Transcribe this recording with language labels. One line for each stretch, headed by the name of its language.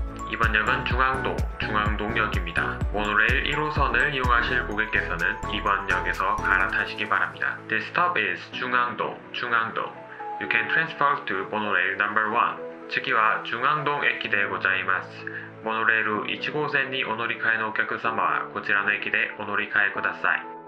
Korean: 이번 역은 중앙동, 중앙동역입니다. 모노레일 1호선을 이용하실 고객께서는 이번 역에서 갈아타시기 바랍니다.
English: This stop is 중앙동, 중앙동. You can transfer to 모노레일 number 1.
Japanese: 次は 중앙동駅でございます.모노레일 1号線にお乗り換えのお客様は こちらの駅でお乗り換えください.